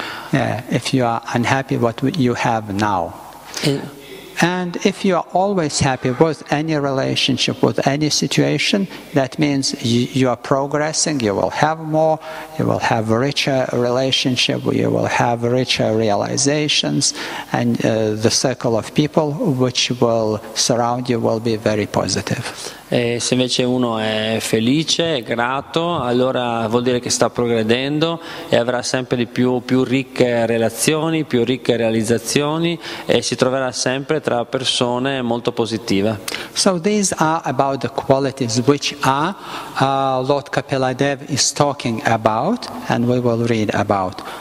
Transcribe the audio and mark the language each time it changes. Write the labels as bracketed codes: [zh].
[en] Yeah, if you are unhappy what you have now. And if you are always happy with any relationship, with any situation, that means you are progressing, you will have more, you will have a richer relationship, you will have richer realizations, and the circle of people which will surround you will be very positive. [it] E se invece uno è felice, è grato, allora vuol dire che sta progredendo e avrà sempre di più ricche relazioni, più ricche realizzazioni, e si troverà sempre tra persone molto positive. [en] So these are about the qualities which Lord Kapiladev is talking about and we will read about.